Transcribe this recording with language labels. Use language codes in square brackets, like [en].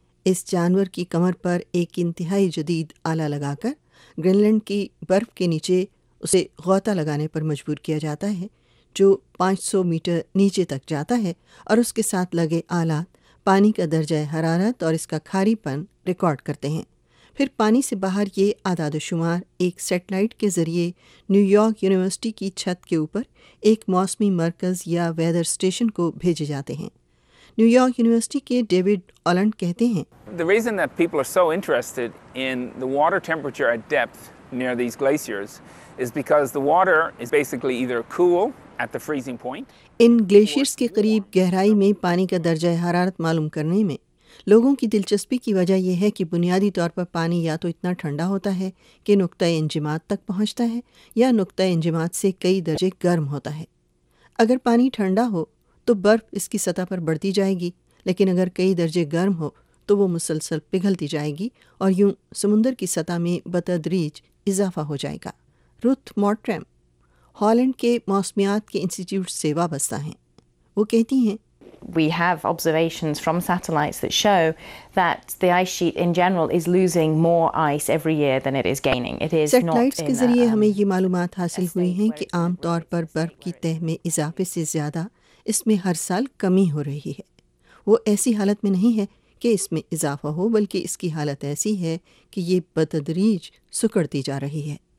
[ur] اس جانور کی کمر پر ایک انتہائی جدید آلہ لگا کر گرین لینڈ کی برف کے نیچے اسے غوطہ لگانے پر مجبور کیا جاتا ہے جو 500 میٹر نیچے تک جاتا ہے اور اس کے ساتھ لگے آلات پانی کا درجہ حرارت اور اس کا کھاری پن ریکارڈ کرتے ہیں. پھر پانی سے باہر یہ اعداد و شمار ایک سیٹلائٹ کے ذریعے نیو یارک یونیورسٹی کی چھت کے اوپر ایک موسمی مرکز یا ویدر اسٹیشن کو بھیجے جاتے ہیں. نیو یارک یونیورسٹی کے ڈیوڈ اولنڈ کہتے ہیں [en] The reason that people are so interested in the water temperature at depth near these glaciers is because the water is basically either cool at the freezing point. [ur] In glaciers کے قریب گہرائی میں پانی کا درجہ حرارت معلوم کرنے میں لوگوں کی دلچسپی کی وجہ یہ ہے کہ بنیادی طور پر پانی یا تو اتنا ٹھنڈا ہوتا ہے کہ نقطۂ انجماد تک پہنچتا ہے یا نقطۂ انجماد سے کئی درجے گرم ہوتا ہے. اگر پانی ٹھنڈا ہو تو برف اس کی سطح پر بڑھتی جائے گی, لیکن اگر کئی درجے گرم ہو تو وہ مسلسل پگھلتی جائے گی اور یوں سمندر کی سطح میں بتدریج اضافہ ہو جائے گا. روتھ مورٹرم ہالینڈ کے موسمیات کے انسٹیٹیوٹ سے وابستہ ہیں. وہ کہتی ہیں [en] We have observations from satellites that show that the ice sheet in general is losing more ice every year than it is gaining. It is not satellites [ur] کے ذریعے ہمیں یہ معلومات حاصل ہوئی ہیں کہ عام طور پر برف کی تہہ میں اضافے سے زیادہ اس میں ہر سال کمی ہو رہی ہے. وہ ایسی حالت میں نہیں ہے کہ اس میں اضافہ ہو, بلکہ اس کی حالت ایسی ہے کہ یہ بتدریج سکڑتی جا رہی ہے.